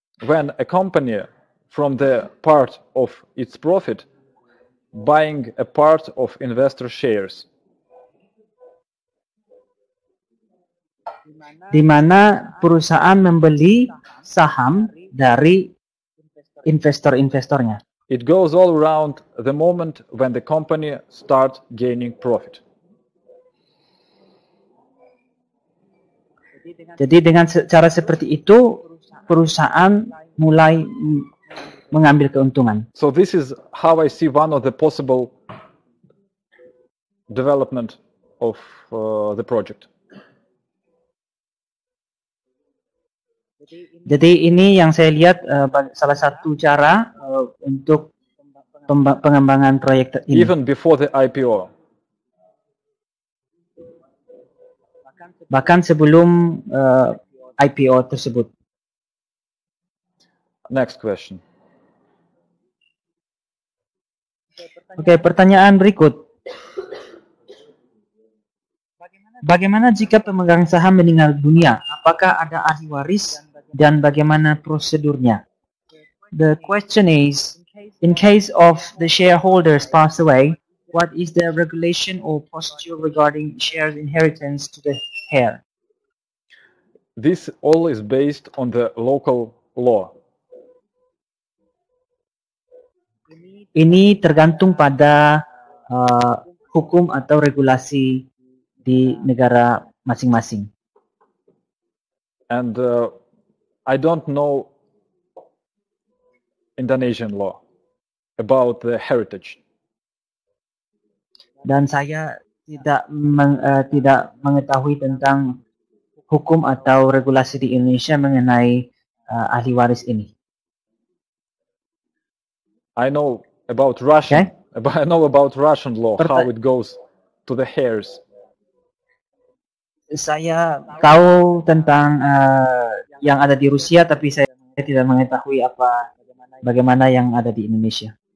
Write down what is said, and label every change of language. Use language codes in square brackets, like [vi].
[en] When a company from the part of its profit buying a part of investor shares. [id] Di mana perusahaan membeli saham dari investor-investornya. [en] It goes all around the moment when the company starts gaining profit. [id] Jadi dengan cara seperti itu, perusahaan mulai mengambil keuntungan. [en] So this is how I see one of the possible development of the project. [id] Jadi ini yang saya lihat salah satu cara untuk pengembangan proyek ini. [en] Even before the IPO. [id] Bahkan sebelum IPO tersebut. [en] Next question. [id] Okay, pertanyaan berikut. Bagaimana jika pemegang saham meninggal dunia? Apakah ada ahli waris dan bagaimana prosedurnya? [en] The question is, in case of the shareholders pass away, what is the regulation or posture regarding share inheritance to the heir? This all is based on the local law. [id] Ini tergantung pada hukum atau regulasi di negara masing-masing. [en] And I don't know Indonesian law about the heritage. [id] Dan saya tidak mengetahui tentang hukum atau regulasi di Indonesia mengenai ahli waris ini. [en] I know about Russian. Okay. I know about Russian law, how it goes to the heirs. [id] saya tahu tentang yang ada di Rusia, tapi saya tidak mengetahui apa bagaimana yang ada di Indonesia.